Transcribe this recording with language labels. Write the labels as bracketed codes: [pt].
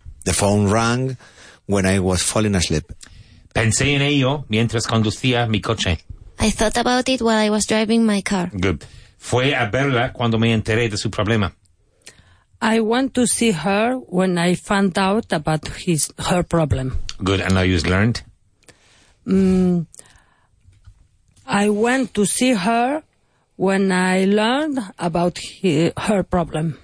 [en] The phone rang when I was falling asleep. [es] Pensé en ello mientras conducía mi coche. [en] I thought about it while I was driving my car. Good. [es] Fue a verla cuando me enteré de su problema. [en] I went to see her when I found out about her problem. Good. And now you've learned? I went to see her when I learned about her problem.